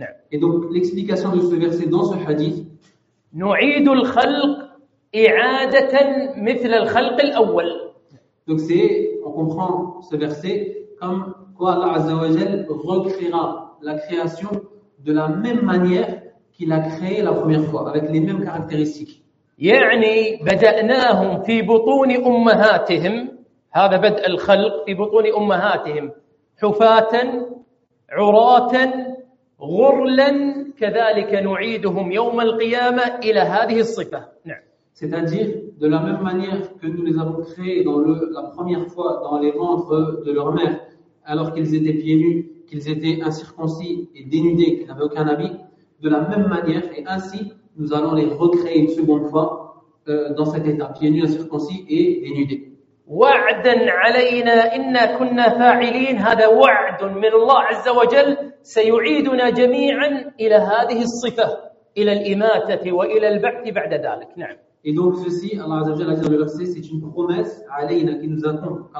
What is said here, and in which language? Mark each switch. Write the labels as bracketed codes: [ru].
[fr] Et donc, l'explication de ce verset dans ce hadith, [ar] نعيد الخلق إعادة مثل الخلق الأول. [fr] Donc c'est, on comprend ce verset comme quoi Allah [ar] Azza wa Jal [fr] recréera la création de la même manière qu'il a créé la première fois, avec les mêmes caractéristiques. [ar] يعني بدأناهم في بطون أمهاتهم هذا بدء الخلق في بطون أمهاتهم حفاة عراة غرلا كذلك نعيدهم يوم القيامة إلى هذه الصفة. نعم. [fr] C'est-à-dire de la même manière que nous les avons créés dans le la première fois dans les ventres de leur mère alors qu'ils étaient pieds nus, qu'ils étaient incirconcis et dénudés, qu'ils n'avaient aucun habit, de la même manière et ainsi nous allons les recréer une seconde fois dans cet état pieds nus, incirconcis et dénudés. [ar] وعدا علينا إن كنا فاعلين هذا وعد من الله عز وجل سيعيدنا جميعا إلى هذه الصفة إلى الإماتة وإلى البعث بعد ذلك. نعم. [fr] Et donc ceci, Allah [ar] عز وجل [fr] a dit dans le verset, c'est une promesse علينا qui nous incombe.